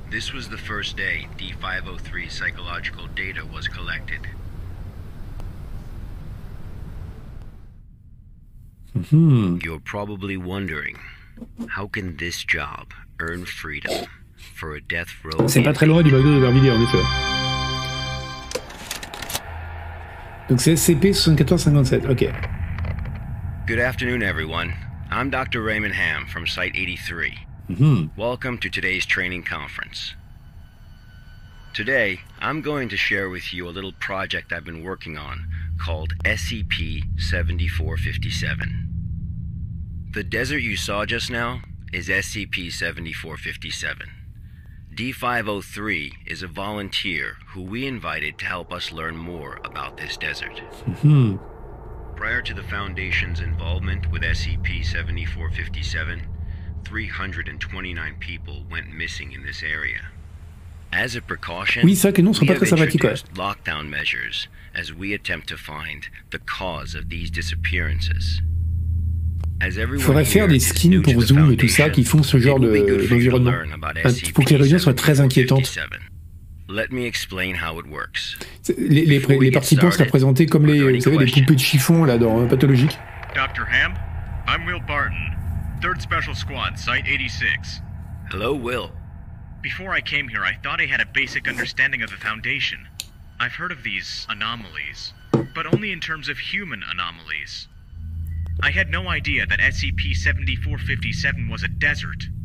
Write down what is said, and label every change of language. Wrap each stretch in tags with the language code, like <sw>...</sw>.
<en>This was the first day D503 psychological data was collected. You're probably wondering how can this job earn freedom for a death row.</en> <fr>C'est pas très loin du bagage de Vermilion, en effet. Donc c'est SCP-7457, ok.</fr> <en>Good afternoon, everyone. I'm Dr. Raymond Hamm from Site 83. Mm-hmm. Welcome to today's training conference. Today, I'm going to share with you a little project I've been working on called SCP-7457. The desert you saw just now is SCP-7457. D-503 is a volunteer who we invited to help us learn more about this desert. Mm-hmm. Prior to the Foundation's involvement with SCP-7457, 329 people went missing in this area. As a precaution,</en> <fr>oui, c'est vrai que non, ce sera pas très sympathique.</fr> <en>Lockdown measures as we attempt to find the cause of these disappearances.</en> <fr>Il faudrait faire des skins pour Zoom et tout ça qui font ce genre d'environnement. Pour que les réunions soient très inquiétantes. Les participants seraient présentés comme les, vous savez, les poupées de chiffon là dans Pathologique.</fr> <en>Dr. Hamm, I'm Will Barton, 3rd Special Squad, Site 86. Hello, Will. Before I came here, I thought I had a basic understanding of the Foundation. I've heard of these anomalies, but only in terms of human anomalies. I had no idea that SCP-7457 was a desert.</en>